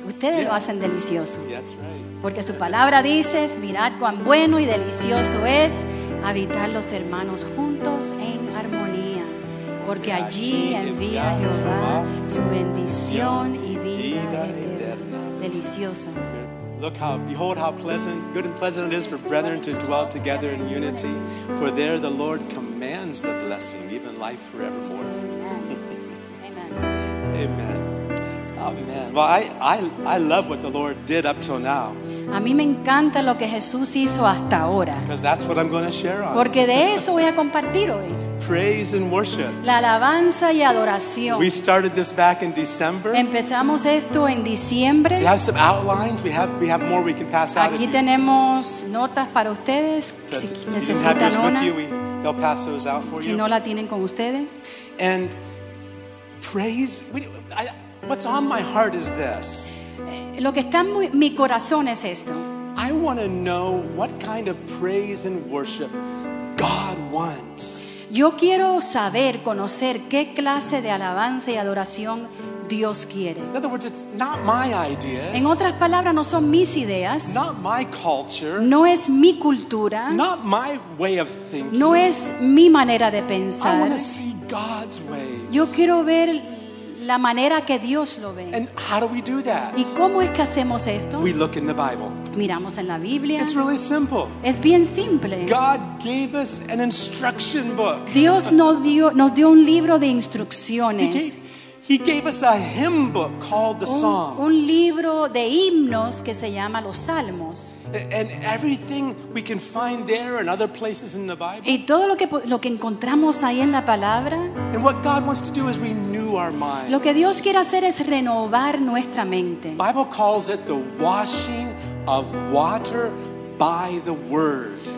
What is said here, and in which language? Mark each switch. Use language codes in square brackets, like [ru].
[es] Ustedes lo hacen delicioso. [en] Yeah, that's right. [es] Porque su palabra dice, mirad cuán bueno y delicioso es habitar los hermanos juntos en armonía. Porque allí envía Jehová su bendición y vida eterna. Delicioso. [en] Look how, behold how pleasant, good and pleasant it is for brethren to dwell together in unity. For there the Lord commands the blessing, even life forevermore. Amen. Amen. Amen. Well, I love what the Lord did up till now. [es] A mí me encanta lo que Jesús hizo hasta ahora. [en] Because that's what I'm going to share on. [es] Porque de eso voy a compartir hoy. [en] Praise and worship. [es] La alabanza y adoración. [en] We started this back in December. [es] Empezamos esto en diciembre. [en] We have some outlines. We have more we can pass out. [es] Aquí tenemos notas para ustedes si necesitan una. [en] They'll pass those out for you. [es] Si no la tienen con ustedes. [en] And praise. What's on my heart is this. [es] Lo que está en mi corazón es esto. [en] I want to know what kind of praise and worship God wants. [es] Yo quiero saber, conocer qué clase de alabanza y adoración Dios quiere. [en] In other words, it's not my ideas. [es] En otras palabras, no son mis ideas. [en] Not my culture. [es] No es mi cultura. [en] Not my way of thinking. [es] No es mi manera de pensar. [en] I want to see God's ways. [es] Yo quiero ver la manera que Dios lo ve. [en] And how do we do that? [es] ¿Y cómo es que hacemos esto? [en] We look in the Bible. [es] Miramos en la Biblia. [en] It's really simple. [es] Es bien simple. [en] God gave us an instruction book. [es] Dios nos dio un libro de instrucciones. [en] He gave us a hymn book called the Psalms. [es] Un libro de himnos que se llama los Salmos. [en] And everything we can find there and other places in the Bible. [es] Y todo lo que encontramos ahí en la palabra. [en] And what God wants to do is renew our minds. [es] Lo que Dios quiere hacer es renovar nuestra mente. [en] The Bible calls it the washing of water by the Word.